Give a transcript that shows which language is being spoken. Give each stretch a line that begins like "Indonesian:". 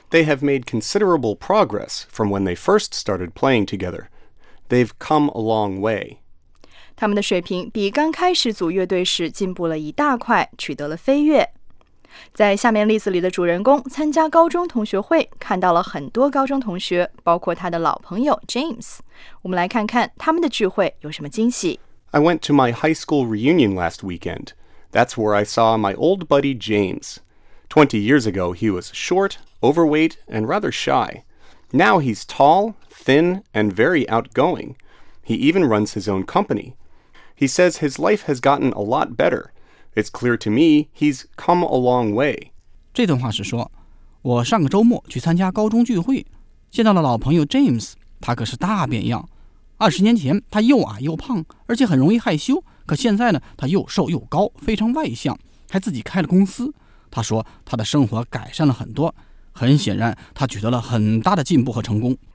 English: They have made considerable progress from when they first started playing together. They've come a long way.
Chinese: 他们的水平比刚开始组乐队时进步了一大块，取得了飞跃。在下面例子里的主人公参加高中同学会，看到了很多高中同学，包括他的老朋友 James。我们来看看他们的聚会有什么惊喜。
English: I went to my high school reunion last weekend. That's where I saw my old buddy James. 20 years ago, he was short, overweight, and rather shy. Now he's tall, thin, and very outgoing. He even runs his own company. He says his life has gotten a lot better. It's clear to me he's come a long way.
Chinese: 这段话是说，我上个周末去参加高中聚会，见到了老朋友 James， 他可是大变样。 20年前他又矮又胖，而且很容易害羞，可现在呢，他又瘦又高，非常外向，还自己开了公司。他说他的生活改善了很多，很显然他取得了很大的进步和成功。